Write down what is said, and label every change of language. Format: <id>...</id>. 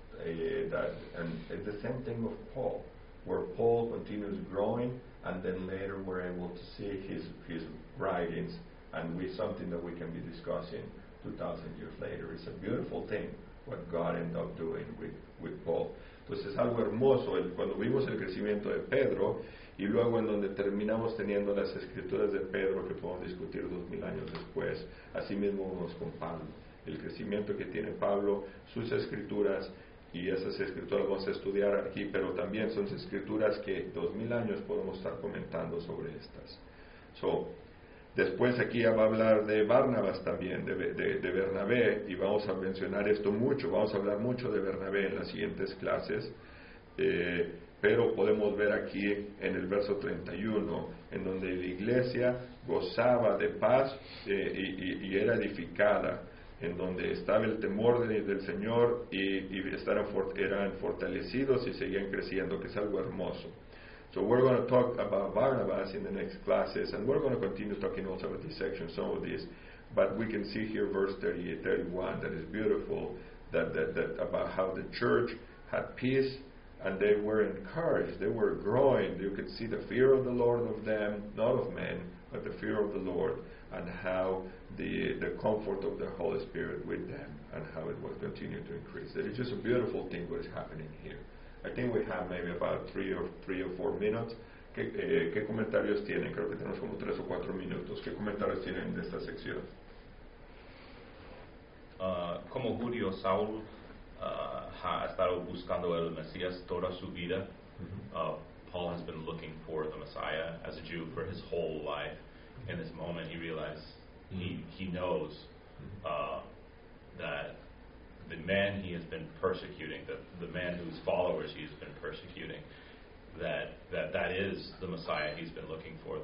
<en>And it's the same thing with Paul, where Paul continues growing and then later we're able to see his writings. And with something that we can be discussing 2,000 years later. It's a beautiful thing what God ended up doing with Paul.</en> <es>Entonces, algo hermoso cuando vimos el crecimiento de Pedro y luego en donde terminamos teniendo las escrituras de Pedro que podemos discutir 2,000 años después, así mismo nos comparan el crecimiento que tiene Pablo, sus escrituras, y esas escrituras vamos a estudiar aquí, pero también son escrituras que 2,000 años podemos estar comentando sobre estas. So, después aquí va a hablar de Barnabas también, de Bernabé, y vamos a mencionar esto mucho, vamos a hablar mucho de Bernabé en las siguientes clases, pero podemos ver aquí en el verso 31, en donde la iglesia gozaba de paz y era edificada, en donde estaba el temor del Señor y eran fortalecidos y seguían creciendo, que es algo hermoso.</es> <en>So we're going to talk about Barnabas in the next classes, and we're going to continue talking also about this section, some of these. But we can see here verse 38, 31, that is beautiful, that about how the church had peace, and they were encouraged, they were growing. You could see the fear of the Lord of them, not of men, but the fear of the Lord, and how the comfort of the Holy Spirit with them, and how it was continuing to increase. It is just a beautiful thing what is happening here. I think we have maybe about three or four minutes.</en> <es>¿Qué comentarios tienen? Creo que tenemos como 3 o 4 minutos. ¿Qué comentarios tienen de esta sección? Como judío, Saul ha estado buscando el Mesías toda su vida. Mm-hmm.</es> <en>Paul has been looking for the Messiah as a Jew for his whole life. In this moment, he realized he knows that the man he has been persecuting, the man whose followers he has been persecuting, that is the Messiah he's been looking for.</en>